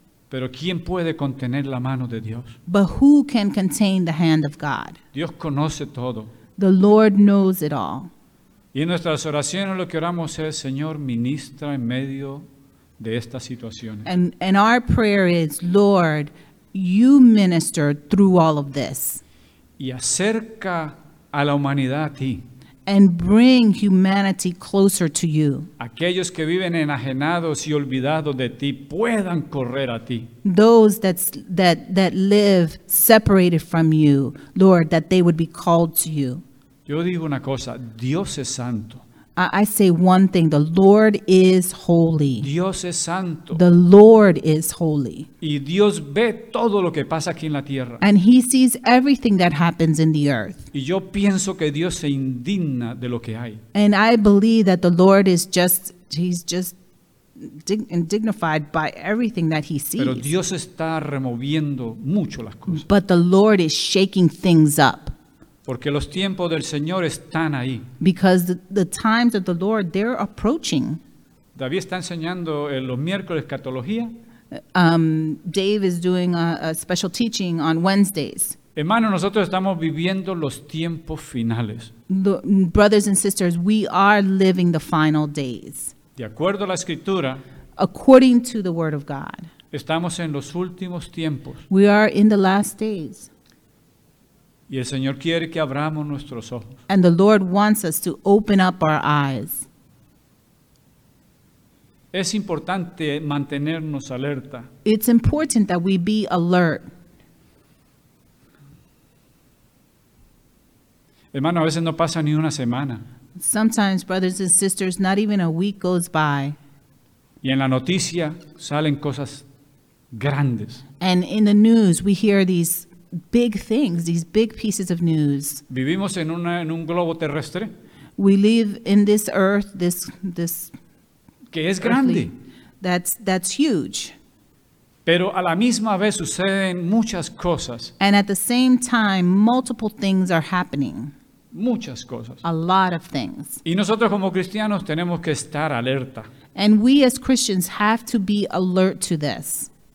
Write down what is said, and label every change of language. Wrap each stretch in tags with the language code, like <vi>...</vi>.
<es>Pero ¿quién puede contener la mano de Dios?</es> <en>But who can contain the hand of God?</en> <es>Dios conoce todo.</es> <en>The Lord knows it all.</en> <es>Y en nuestras oraciones lo que oramos es, Señor, ministra en medio de estas situaciones.</es> <en>And our prayer is, Lord, you minister through all of this.</en> <es>Y acerca a la humanidad a ti.</es> <en>And bring humanity closer to you.</en> <es>Aquellos que viven enajenados y olvidados de ti puedan correr a ti.</es> <en>Those that live separated from you, Lord, that they would be called to you.</en> <es>Yo digo una cosa, Dios es santo.</es> <en>I say one thing, the Lord is holy.</en> <es>Dios es santo.</es> <en>The Lord is holy.</en> <es>Y Dios ve todo lo que pasa aquí en la tierra.</es> <en>And he sees everything that happens in the earth.</en> <es>Y yo pienso que Dios se indigna de lo que hay.</es> <en>And I believe that the Lord is just indignified by everything that he sees.</en> <es>Pero Dios está removiendo mucho las cosas.</es> <en>But the Lord is shaking things up.</en> <es>Porque los tiempos del Señor están ahí.</es> <en>Because the times of the Lord, they're approaching.</en> <es>David está enseñando en los miércoles escatología.</es> <en>Dave is doing a special teaching on Wednesdays.</en> <es>Hermanos, nosotros estamos viviendo los tiempos finales.</es> <en>Brothers and sisters, we are living the final days.</en> <es>De acuerdo a la Escritura.</es> <en>According to the Word of God.</en> <es>Estamos en los últimos tiempos.</es> <en>We are in the last days.</en> <es>Y el Señor quiere que abramos nuestros ojos.</es> <en>And the Lord wants us to open up our eyes.</en> <es>Es importante mantenernos alerta.</es> <en>It's important that we be alert.</en> <es>Hermano, a veces no pasa ni una semana.</es> <en>Sometimes, brothers and sisters, not even a week goes by.</en> <es>Y en la noticia salen cosas grandes.</es> <en>And in the news, we hear these big things, these big pieces of news.</en> <es>Vivimos en una, en un globo terrestre.</es> <en>We live in this earth, this</en> <es>que es grande.</es> <en>That's huge.</en> <es>Pero a la misma vez suceden muchas cosas.</es> <en>And at the same time, multiple things are happening.</en> <es>Muchas cosas.</es> <en>A lot of things.</en> <es>Y nosotros como cristianos tenemos que estar alerta.</es> <en>And we as Christians have to be alert to this.</en>